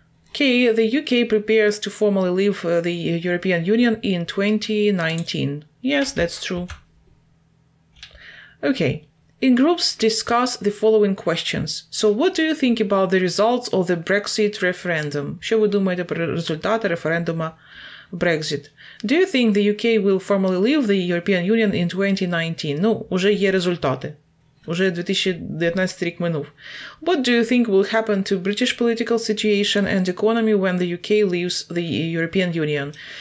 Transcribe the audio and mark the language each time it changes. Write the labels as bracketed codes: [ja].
[en] Okay, the UK prepares to formally leave the European Union in 2019. Yes, that's true. Okay, in groups discuss the following questions. So what do you think about the results of the Brexit referendum? [uk] Що ви думаєте про результати референдуму Brexit? [en] Do you think the UK will formally leave the European Union in 2019? [uk] Ну, вже є результати. Уже 2019 рік минув. [en] What do you think will happen to British political situation and economy when the UK leaves the European Union?